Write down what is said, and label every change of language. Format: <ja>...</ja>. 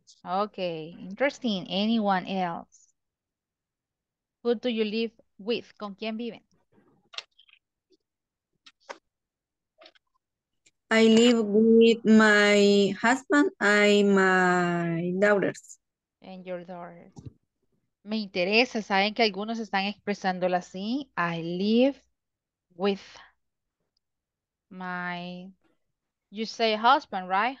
<en>Okay, interesting. Anyone else? Who do you live with?</en> <es>¿Con quién viven?</es> <en>I live with my husband and my daughters. And your daughters.</en> <es>Me interesa, saben que algunos están expresándolo así.</es> <en>I live with my, you say husband, right?</en>